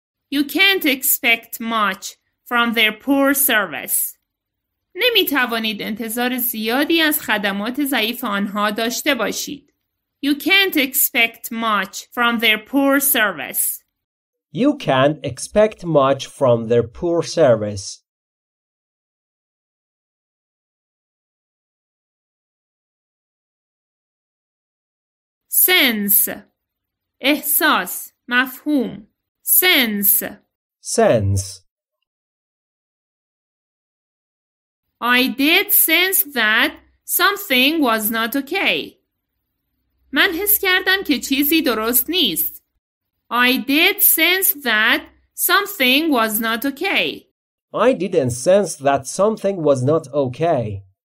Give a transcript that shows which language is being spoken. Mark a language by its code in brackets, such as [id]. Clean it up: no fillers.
[en] You can't expect much from their poor service. [fa] نمی توانید انتظار زیادی از خدمات ضعیف آنها داشته باشید. [en] You can't expect much from their poor service. You can't expect much from their poor service. [fa] Sense. احساس. مفهوم. Sense. [en] Sense. I did sense that something was not okay. [fa] من حس کردم که چیزی درست نیست. [en] I did sense that something was not okay. I didn't sense that something was not okay.